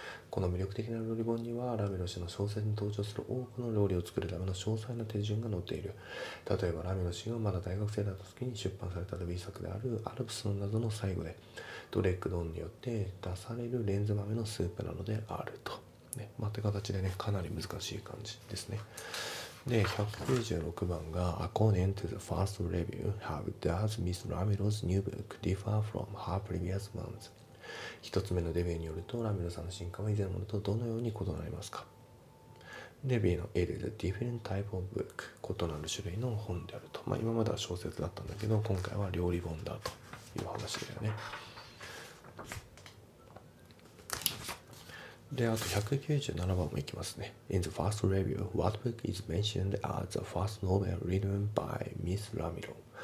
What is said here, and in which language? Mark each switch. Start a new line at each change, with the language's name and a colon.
Japanese: この魅力的な料理本には、ラミロ氏の小説に登場する多くの料理を作るための詳細な手順が載っている。例えばラミロ氏がまだ大学生だった時に出版されたデビュー作である「アルプスの謎」の最後で、ドレックドーンによって出されるレンズ豆のスープなのであると。って形でね、かなり難しい感じですね。で、196番が、
English: According to the first review, how does Miss Ramiro's new book differ from her previous ones?
Japanese: 一つ目のデビューによると、ラミロさんの新刊は以前のものとどのように異なりますか？で、B の、
English: It is a different type of book。
Japanese: 異なる種類の本であると。今までは小説だったんだけど、今回は料理本だという話だよね。で、あと197番もいきますね。
English: In the first review, what book is mentioned as the first novel written by Miss Ramiro?